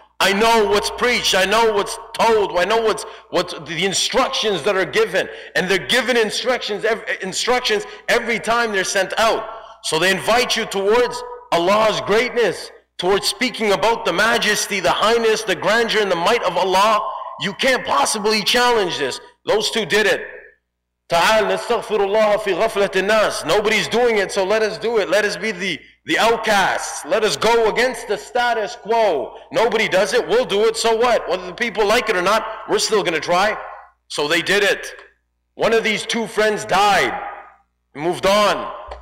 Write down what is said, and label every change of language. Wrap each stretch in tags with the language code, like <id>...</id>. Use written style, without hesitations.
<en>I know what's preached. I know what's told. I know what's the instructions that are given. And they're given instructions every time they're sent out. So they invite you towards Allah's greatness, towards speaking about the majesty, the highness, the grandeur, and the might of Allah. You can't possibly challenge this. Those two did it.</en> <ar>تعال نستغفر الله في غفلة الناس.</ar> <en>Nobody's doing it, so let us do it. Let us be the outcasts. Let us go against the status quo. Nobody does it, we'll do it, so what? Whether the people like it or not, we're still going to try. So they did it. One of these two friends died and moved on.</en>